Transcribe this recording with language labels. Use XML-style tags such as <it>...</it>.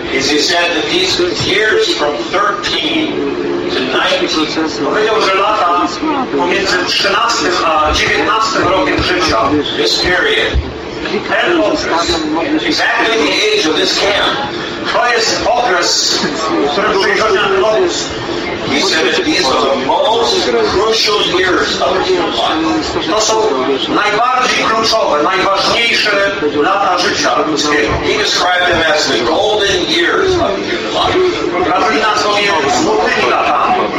<en>he said that these years from 13 to 19,</en> <pl>powiedział, że lata pomiędzy 13 a 19 rokiem życia,</pl> <en>this period,</en> <pl>ten okres,</pl> <en>exactly the age of this camp,</en> <pl>to jest okres, który był przychodzi na lotus.</pl> <en>He said that these are the most crucial years of human life.</en> <pl>To są najbardziej kluczowe, najważniejsze lata życia ludzkiego.</pl> <en>He described them as the golden years of human life.</en> <pl>Brother Lee nazwał je złotymi latami.</pl>